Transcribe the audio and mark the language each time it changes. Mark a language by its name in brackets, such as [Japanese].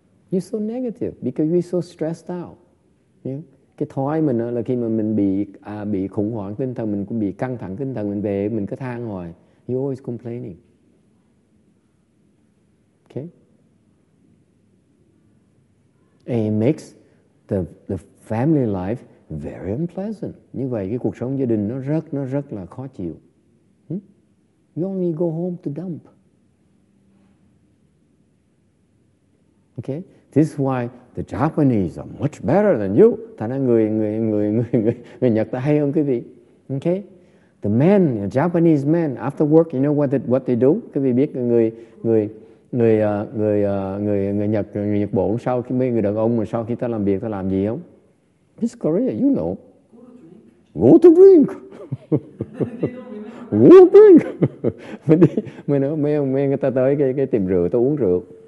[English] You're so negative because you're so stressed out. Yeah? [Vietnamese] Cái thói mình đó là khi mà mình bị khủng hoảng tinh thần, mình cũng bị căng thẳng tinh thần, mình về mình cứ than hoài. [English] You're always complaining. And it makes the family life very unpleasant. [Vietnamese] Như vậy cái cuộc sống gia đình nó rất là khó chịu. [English] You only go home to dump. Okay? This is why the Japanese are much better than you. [Vietnamese] Thành ra người Nhật ta hay hơn quý vị. [English] Okay? The men, the Japanese men, after work, you know what they do? [Vietnamese] Quý vị biết người Nhật Bộ sau khi mấy người đàn ông mà sau khi ta làm việc ta làm gì không? [English] This Korea, you know. Go to drink. Go to drink. Go to drink. [Vietnamese] mình người ta tới cái tiệm rượu, ta uống rượu.